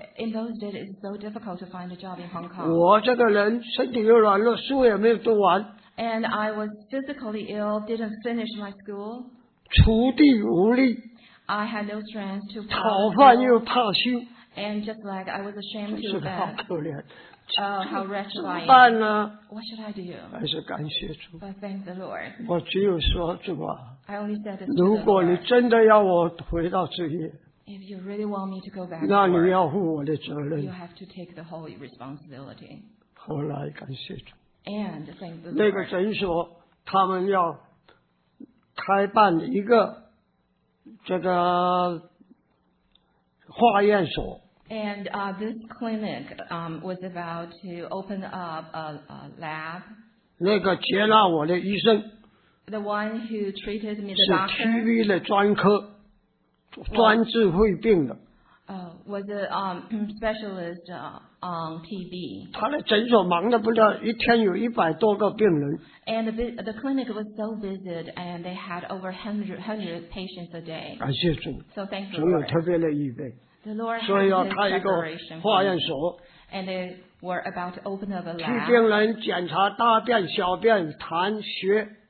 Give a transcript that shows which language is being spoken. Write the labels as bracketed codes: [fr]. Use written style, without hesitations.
[en] In those days, it's so difficult to find a job in Hong Kong. [zh] 我这个人身体又软弱，书也没有读完。 [en] And I was physically ill, didn't finish my school. [zh] 锄地无力。 [en] I had no strength to. [zh] 讨饭又怕羞。 [en] And just like I was ashamed to that. [zh] 好可怜。 [en] How wretched I am. [zh] 怎么办呢？ [en] What should I do? [zh] 还是感谢主。 [en] But thank the Lord. [zh] 我只有说主啊。 [en] I only said this to the Lord. [zh] 如果你真的要我回到职业。 [en] If you really want me to go back. [zh] 那你要负我的责任。 [en] You have to take the whole responsibility. [zh] 后来感谢主。 [en] And thank the Lord. [zh] 那个诊所他们要开办一个这个化验所。 [en] And this clinic was about to open up a lab. [zh] 那个接纳我的医生。 [en] The one who treated me, the doctor. [zh] 是 TV 的专科，专治肺病的。 [en] Was a specialist on TB. [zh] 他的诊所忙得不得，一天有一百多个病人。 [en] And the clinic was so busy, and they had over 100 patients a day. [zh] 感谢主。 [en] So thank you. [zh] 总有特别的预备。 [en] The Lord [zh] 所以要开一个化验所。 [en] And they were about to open up a lab. [zh] 替病人检查大便、小便、痰、血。